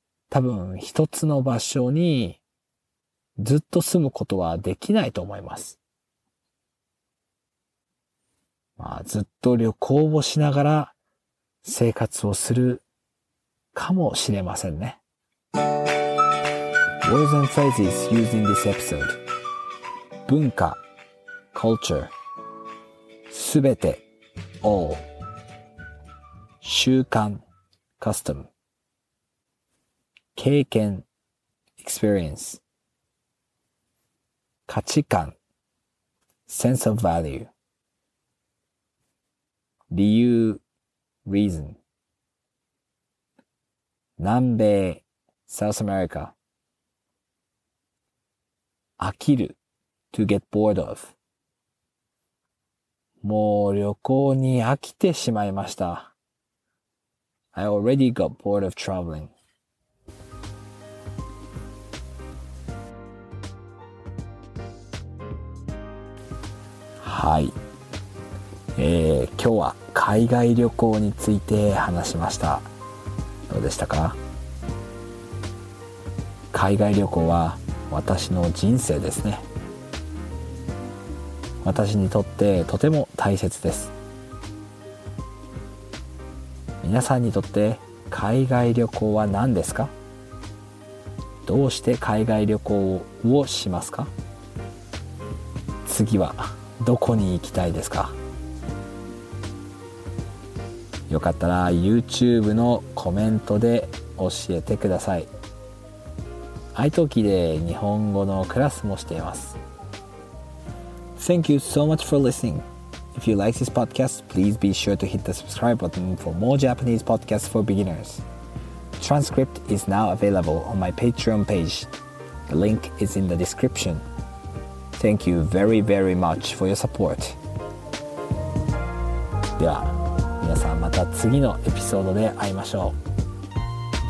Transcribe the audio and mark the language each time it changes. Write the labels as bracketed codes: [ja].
[ja] 多分一つの場所にずっと住むことはできないと思います。まあずっと旅行をしながら生活をするかもしれませんね。 [en] Words and phrases used in this episode. 文化 culture すべて all 習慣 custom経験 experience 価値観 sense of value 理由 reason 南米 South America [ja] 飽きる [en] to get bored of [ja] もう旅行に飽きてしまいました。 [en] I already got bored of traveling. [ja] はい。今日は海外旅行について話しました。どうでしたか？海外旅行は私の人生ですね。私にとってとても大切です。皆さんにとって海外旅行は何ですか？どうして海外旅行をしますか？次はどこに行きたいですか？よかったら YouTube のコメントで教えてください。 iTalki で日本語のクラスもしています。 [en] Thank you so much for listening. If you like this podcast, please be sure to hit the subscribe button for more Japanese podcasts for beginners. Transcript is now available on my Patreon page. The link is in the description. Thank you very, very much for your support. [ja] では、皆さんまた次のエピソードで会いましょう。